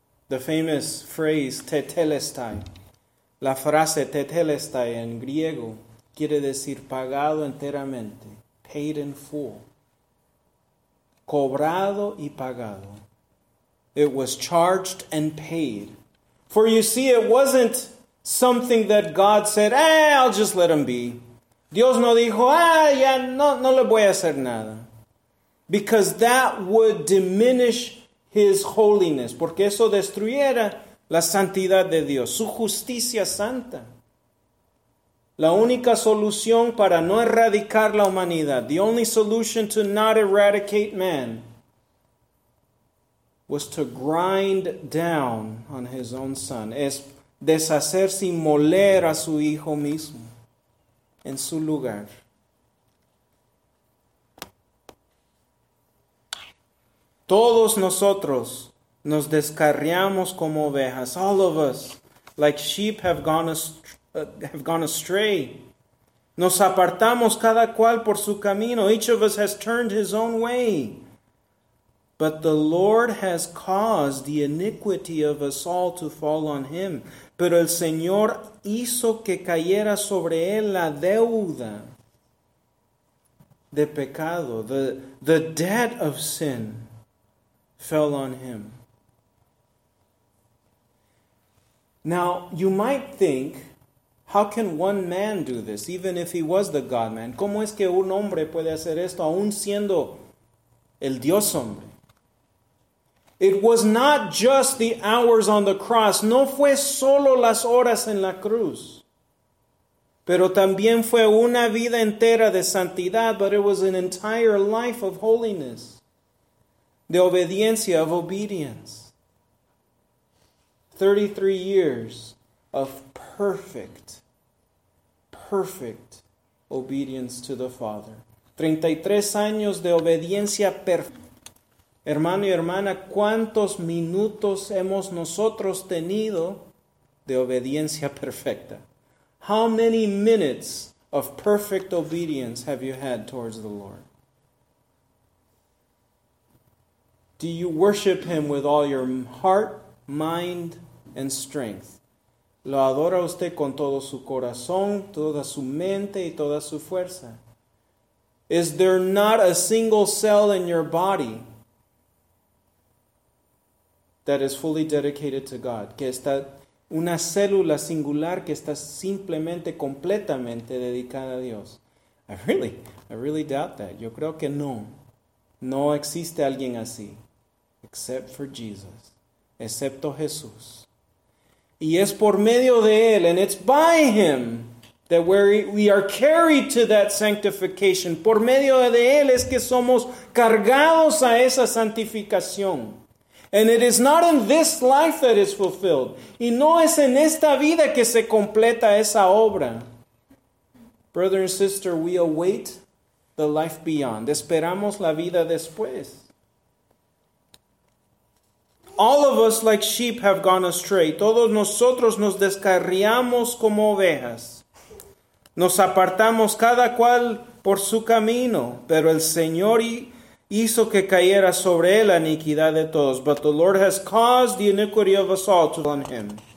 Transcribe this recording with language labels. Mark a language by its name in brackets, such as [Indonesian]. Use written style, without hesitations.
[English] The famous phrase, [Spanish] tetelestai, la frase tetelestai en griego, quiere decir pagado enteramente, [English] paid in full, [Spanish] cobrado y pagado. [English] It was charged and paid. For you see, it wasn't something that God said, I'll just let him be. [Spanish] Dios no dijo, ah, ya, no le voy a hacer nada. [English] Because that would diminish his holiness. [Spanish] Porque eso destruyera la santidad de Dios, su justicia santa. La única solución para no erradicar la humanidad, [English] the only solution to not eradicate man, was to grind down on his own son. [Spanish] Es deshacerse y moler a su hijo mismo en su lugar. Todos nosotros nos descarriamos como ovejas. [English] All of us, like sheep, have gone astray. [Spanish] Nos apartamos cada cual por su camino. [English] Each of us has turned his own way. But the Lord has caused the iniquity of us all to fall on him. [Spanish] Pero el Señor hizo que cayera sobre él la deuda de pecado. [English] The debt of sin fell on him. Now, you might think, how can one man do this, even if he was the God-man? [Spanish] ¿Cómo es que un hombre puede hacer esto, aún siendo el Dios hombre? [English] It was not just the hours on the cross. [Spanish] No fue solo las horas en la cruz. Pero también fue una vida entera de santidad. [English] But it was an entire life of holiness. [Spanish] De obediencia, [English] of obedience. 33 years of perfect obedience to the Father. [Spanish] 33 años de obediencia perfecta. Hermano y hermana, ¿cuántos minutos hemos nosotros tenido de obediencia perfecta? [English] How many minutes of perfect obedience have you had towards the Lord? Do you worship Him with all your heart, mind, and strength? [Spanish] ¿Lo adora usted con todo su corazón, toda su mente y toda su fuerza? [English] Is there not a single cell in your body that is fully dedicated to God? [Spanish] Que está una célula singular que está simplemente, completamente dedicada a Dios. [English] I really doubt that. [Spanish] Yo creo que no. No existe alguien así. [English] Except for Jesus. [Spanish] Excepto Jesús. Y es por medio de Él, [English] and it's by Him, that we are carried to that sanctification. [Spanish] Por medio de Él es que somos cargados a esa santificación. [English] And it is not in this life that is fulfilled. [Spanish] Y no es en esta vida que se completa esa obra. [English] Brother and sister, we await the life beyond. [Spanish] Esperamos la vida después. [English] All of us, like sheep, have gone astray. [Spanish] Todos nosotros nos descarriamos como ovejas. Nos apartamos cada cual por su camino. Pero el Señor hizo que cayera sobre él la iniquidad de todos. [English] But the Lord has caused the iniquity of us all to fall on him.